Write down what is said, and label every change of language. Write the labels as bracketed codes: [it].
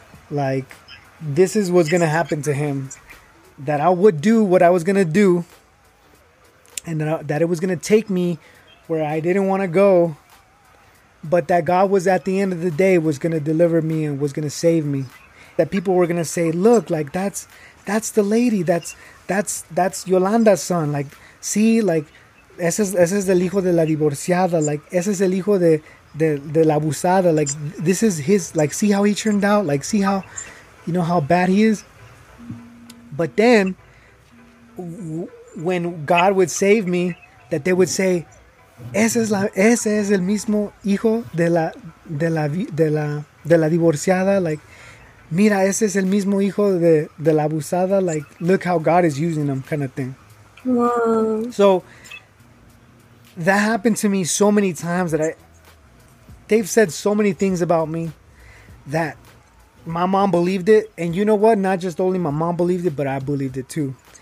[en] Like, this is what's going to happen to him, that I would do what I was going to do. And that it was going to take me where I didn't want to go, but that God was, at the end of the day, was going to deliver me and was going to save me. That people were going to say, "Look, like, that's the lady. That's Yolanda's son. [es] Like, see, like, ese es el hijo de la divorciada. Like, ese es el hijo de la abusada. [en] Like, this is his, like, see how he turned out. Like, see how, you know, how bad he is." But then, when God would save me, that they would say, [es] ese es el mismo hijo de la divorciada. Like, mira, ese es el mismo hijo de la abusada. [en] Like, look how God is using them, kind of thing. Wow. So that happened to me so many times that they've said so many things about me that my mom believed it. And you know what? Not just only my mom believed it, but I believed it too.